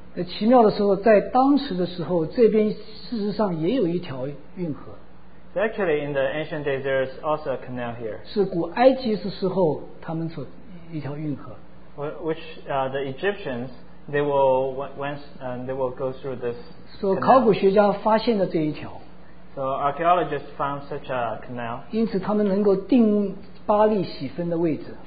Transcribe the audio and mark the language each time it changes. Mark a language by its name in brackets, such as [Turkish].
[Chinese] 那奇妙的时候，在当时的时候，这边事实上也有一条运河。 [English] So actually, in the ancient days, there is also a canal here. [Chinese] 是古埃及的时候，他们所一条运河。 [English] Which the Egyptians they will go through this. [Chinese] So 考古学家发现了这一条。 [English] So archaeologists found such a canal. [Chinese] 因此，他们能够定巴利喜芬的位置。